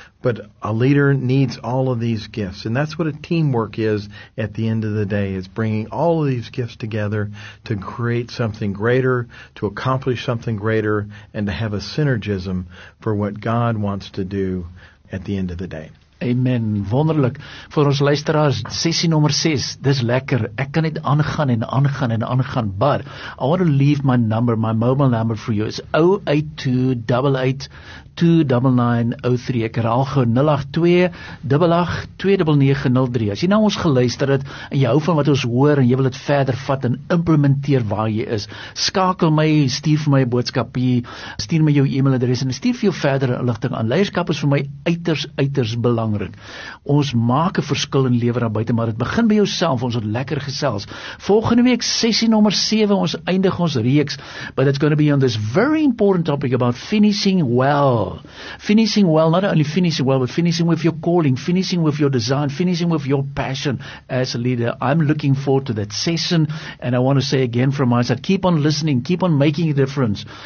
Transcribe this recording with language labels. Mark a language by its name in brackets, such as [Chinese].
[English] But a leader needs all of these gifts, and that's what a teamwork is at the end of the day. It's bringing all of these gifts together to create something greater, to accomplish something greater, and to have a synergism for what God wants to do at the end of the day. [Afrikaans] Amen. Wonderlik. Vir ons luisteraars, sessie nommer 6, dis lekker. Ek kan net aangaan en aangaan en aangaan. [English] But I want to leave my number, my mobile number for you. It's 082-88-29903. [Afrikaans] Ek herhaal gou 082-88-29903. As jy nou ons geluister het en jy hou van wat ons hoor en jy wil dit verder vat en implementeer waar jy is, skakel my, stuur vir my 'n boodskap hier, stuur my jou e-mailadres en stuur vir jou verdere inligting aan. Leierskap is vir my uiters belangrik. Ons maak 'n verskil in lewe daar buite, maar dit begin by jouself. Ons het lekker gesels. Volgende week sessie nommer 7, ons eindig ons reeks, [English] but it's going to be on this very important topic about finishing well. Finishing well, not only finishing well, but finishing with your calling, finishing with your design, finishing with your passion as a leader. I'm looking forward to that session, and I want to say again from my side, keep on listening, keep on making a difference.